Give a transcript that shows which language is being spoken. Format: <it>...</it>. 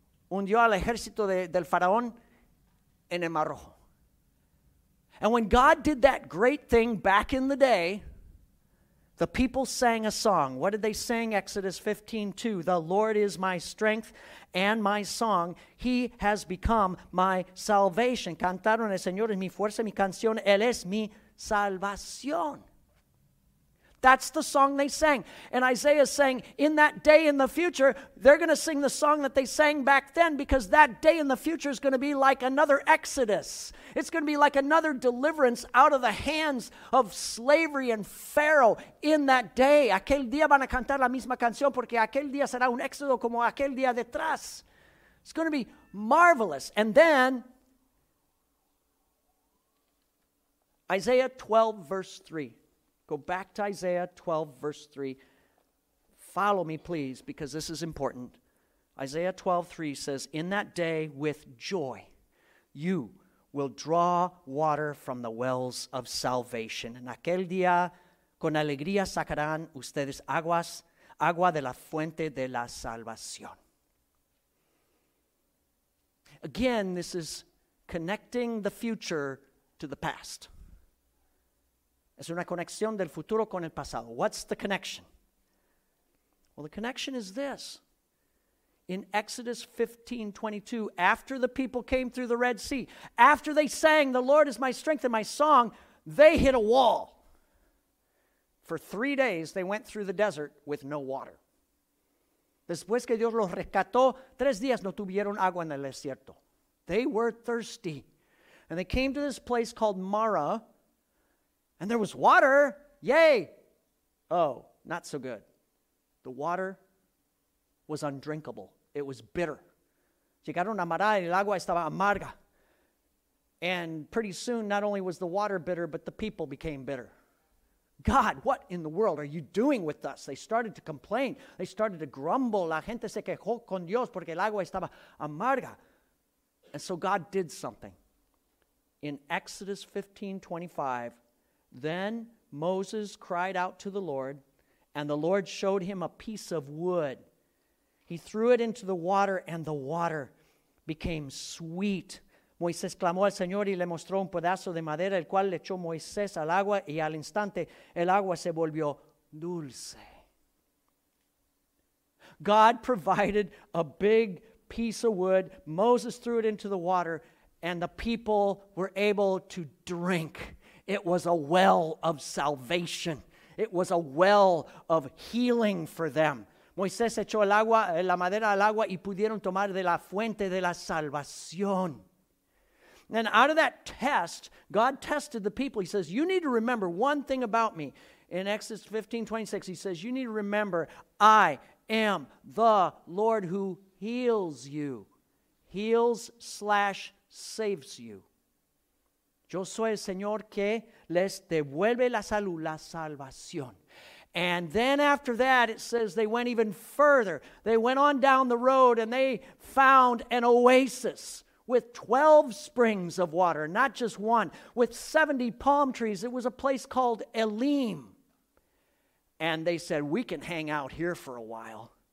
<es>Hundió al ejército del faraón en el Mar Rojo.</es> <en>And when God did that great thing back in the day, the people sang a song. What did they sing? Exodus 15, 2. The Lord is my strength and my song. He has become my salvation.</en> <es>Cantaron el Señor es mi fuerza, mi canción. Él es mi salvación.</es> <en>That's the song they sang. And Isaiah is saying, in that day in the future, they're going to sing the song that they sang back then, because that day in the future is going to be like another exodus. It's going to be like another deliverance out of the hands of slavery and Pharaoh in that day.</en> <es>Aquel día van a cantar la misma canción, porque aquel día será un éxodo como aquel día detrás.</es> <en>It's going to be marvelous. And then Isaiah 12, verse 3. Go back to Isaiah 12, verse 3. Follow me, please, because this is important. Isaiah 12, 3 says, in that day, with joy, you will draw water from the wells of salvation.</en> <es>En aquel día, con alegría, sacarán ustedes aguas, agua de la fuente de la salvación.</es> <en>Again, this is connecting the future to the past.</en> <es>Es una conexión del futuro con el pasado.</es> <en>What's the connection? Well, the connection is this. In Exodus 15, 22, after the people came through the Red Sea, after they sang, the Lord is my strength and my song, they hit a wall. For 3 days, they went through the desert with no water.</en> <es>Después que Dios los rescató, 3 días no tuvieron agua en el desierto.</es> <en>They were thirsty. And they came to this place called Marah. And there was water. Yay. Oh, not so good. The water was undrinkable. It was bitter.</en> <es>Llegaron a Mara y el agua estaba amarga.</es> <en>And pretty soon, not only was the water bitter, but the people became bitter. God, what in the world are you doing with us? They started to complain. They started to grumble.</en> <es>La gente se quejó con Dios porque el agua estaba amarga.</es> <en>And so God did something. In Exodus 15, 25, then Moses cried out to the Lord, and the Lord showed him a piece of wood. He threw it into the water, and the water became sweet.</en> <es>Moisés clamó al Señor y le mostró un pedazo de madera, el cual le echó Moisés al agua, y al instante el agua se volvió dulce.</es> <en>God provided a big piece of wood. Moses threw it into the water, and the people were able to drink. It was a well of salvation. It was a well of healing for them.</en> <es>Moisés echó el agua, la madera al agua, y pudieron tomar de la fuente de la salvación.</es> <en>And out of that test, God tested the people. He says, you need to remember one thing about me. In Exodus 15:26, he says, you need to remember, I am the Lord who heals you. Heals / saves you.</en> <es>Yo soy el Señor que les devuelve la salud, la salvación.</es> <en>And then after that, it says they went even further. They went on down the road and they found an oasis with 12 springs of water, not just one, with 70 palm trees. It was a place called Elim. And they said, we can hang out here for a while.</en>